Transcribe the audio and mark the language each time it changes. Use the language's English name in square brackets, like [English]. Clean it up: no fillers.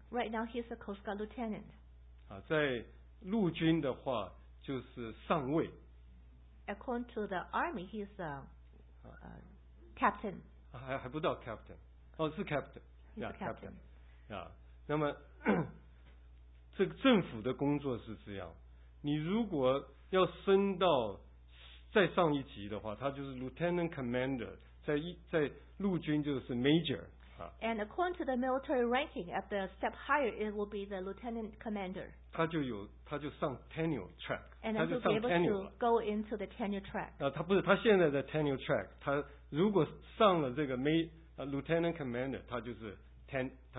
[English] Right now he's a Coast Guard Lieutenant. [Chinese] 在陆军的话。就是上尉 [English] According to the army, he's a captain. [Chinese] 还不到 captain. 哦，是 captain. [English] He's a captain. [Chinese] Yeah. 那么这个政府的工作是这样，你如果要升到再上一级的话，他就是 Lieutenant Commander， 在陆军就是 Major。 [English] And according to the military ranking, at the step higher, it will be the lieutenant commander. [Chinese] 他就上 tenure track. [English] And then he'll be able to go into the tenure track. [Chinese] 他现在在 tenure track. 他如果上了这个 lieutenant commander, 他就是 tenure.